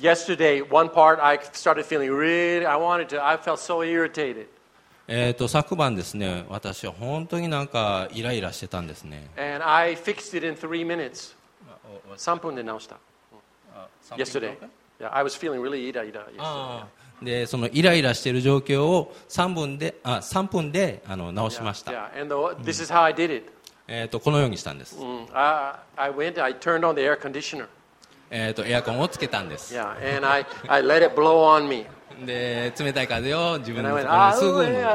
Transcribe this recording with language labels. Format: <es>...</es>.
<en>Yeah. Yesterday, one part, I started feeling really, I wanted to, I felt so irritated.</en> <ja>昨晩ですね、私は本当になんかイライラしてたんですね。</ja> <en>And I fixed it in 3 minutes.</en> <ja>3分で直した。Yesterday.</ja> <en>Yeah, I was feeling really イライラ yesterday.</en> <ja>で、そのイライラしている状況を3分で直しました。</ja> <en>Yeah, and this is how I did it.</en> <ja>このようにしたんです。</ja> <en>I went, I turned on the air conditioner.</en> <ja>エアコンをつけたんです。</ja> <en>Yeah, and I let it blow on me.</en> <ja>で、冷たい風を自分のところにすぐに。</ja>